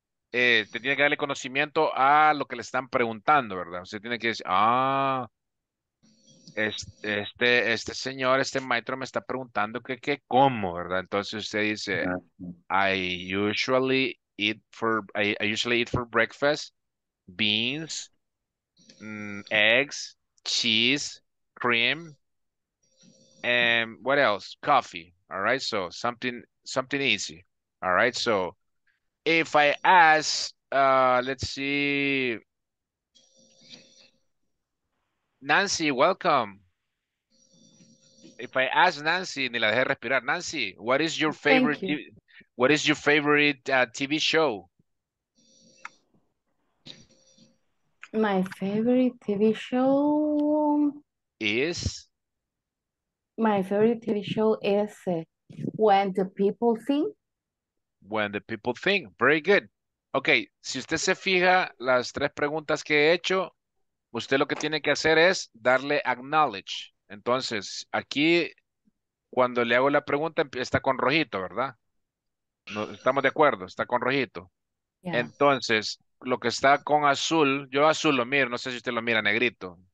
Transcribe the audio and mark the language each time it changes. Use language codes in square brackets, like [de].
[es] Te tiene que darle conocimiento a lo que le están preguntando, ¿verdad? Usted tiene que decir, este señor, este maestro me está preguntando qué como, ¿verdad? Entonces usted dice, [en] I usually eat for breakfast, beans, eggs, cheese, cream, and what else? Coffee, all right? So something easy, all right? So, if I ask, let's see, Nancy, welcome. If I ask Nancy, [es] ni la dejé respirar. [en] Nancy, what is your favorite? What is your favorite TV show? My favorite TV show is. My favorite TV show is When the People Think. When the people think. Very good. [es] Okay, si usted se fija las tres preguntas que he hecho, usted lo que tiene que hacer es darle acknowledge. Entonces, aquí, cuando le hago la pregunta, está con rojito, ¿verdad? No, estamos de acuerdo, está con rojito. Yeah. Entonces, lo que está con azul, yo azul lo miro, no sé si usted lo mira, negrito.